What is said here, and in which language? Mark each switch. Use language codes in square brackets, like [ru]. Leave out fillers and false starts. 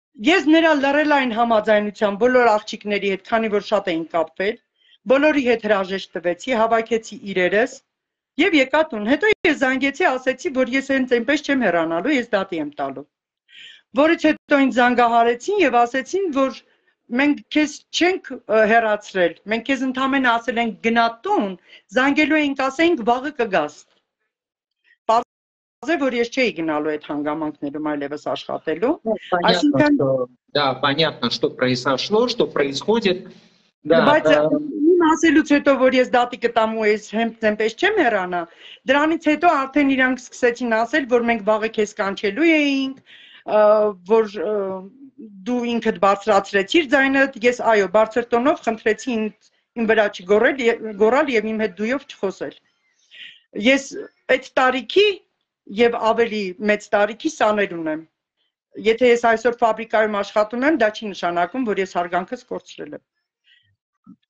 [hy] Ես նրա լռել այն համաձայնությամբ բոլոր աղջիկների հետ, քանի որ շատ էին կապվել, բոլորի հետ հրաժեշտ տվեցի, հավաքեցի իրերս և եկա տուն։ Հետո ես զանգեցի, ասեցի, որ ես հենց այնպես չեմ հեռանալու, ես դատի եմ տալու։ Որից հետո ինձ զանգահարեցին և ասեցին, որ մենք քեզ չենք հեռացրել, մենք քեզ ընդամենը ասել ենք գնա տուն, զանգելու ենք, ասենք վաղը կգաս։ Ասե, որ ես չէի գնալու այդ հանգամանքներում այլևս աշխատելու։ [ru] Այսինքն, да, понятно, что произошло, что происходит. Да. [hy] Բայց իմ ասելուց հետո, որ ես դատի կտամ ու ես հենց չեմ հեռանա, դրանից հետո արդեն իրանք սկսեցին ասել, որ մենք վաղը քեզ կանչելու էինք, որ դու ինքդ բարձրացրեցիր ձայնը, ես այո, բարձր տոնով խնդրեցի իմ վրա չգոռալ եւ իմ հետ դույով չխոսել։ Ես այդ տարիքի և ավելի մեծ տարիքի սաներ ունեմ։ Եթե ես այսօր ֆաբրիկայում աշխատում եմ, դա չի նշանակում, որ ես հարգանքս կորցրել եմ։